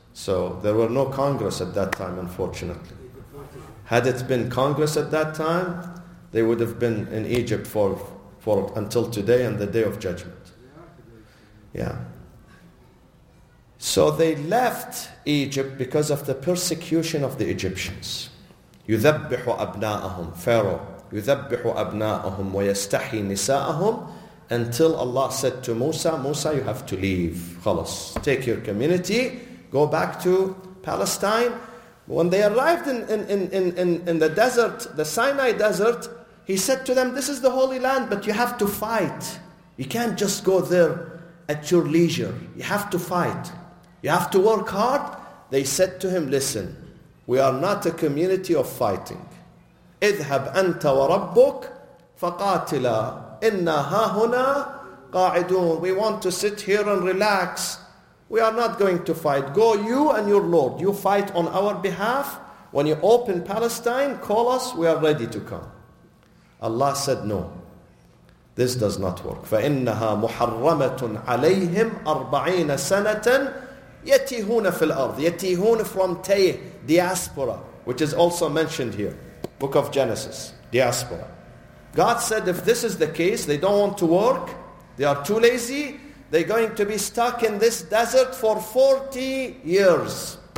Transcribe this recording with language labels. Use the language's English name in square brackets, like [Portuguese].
[English] So there were no Congress at that time, unfortunately. Had it been Congress at that time, they would have been in Egypt for until today and the Day of Judgment. Yeah. So they left Egypt because of the persecution of the Egyptians. [Arabic] يُذَبِّحُ أَبْنَاءَهُمْ Pharaoh. يُذَبِّحُ أَبْنَاءَهُمْ وَيَسْتَحِي نِسَاءَهُمْ [English] Until Allah said to Musa, Musa, you have to leave. [Arabic] خلاص. [English] Take your community. Go back to Palestine. When they arrived in the desert, the Sinai desert, he said to them, this is the Holy Land, but you have to fight. You can't just go there at your leisure. You have to fight. You have to work hard. They said to him, listen, we are not a community of fighting. [Arabic] اذهب أنت وربك فقاتلا إنا هاهنا قاعدون. [English] We want to sit here and relax. We are not going to fight. Go you and your Lord. You fight on our behalf. When you open Palestine, call us. We are ready to come. Allah said, no. This does not work. [Arabic] فإنها محرمة عليهم أربعين سنة يتيهون في الأرض. [English] يتيهون from تيه, diaspora, which is also mentioned here. Book of Genesis, diaspora. God said, if this is the case, they don't want to work, they are too lazy, they're going to be stuck in this desert for 40 years.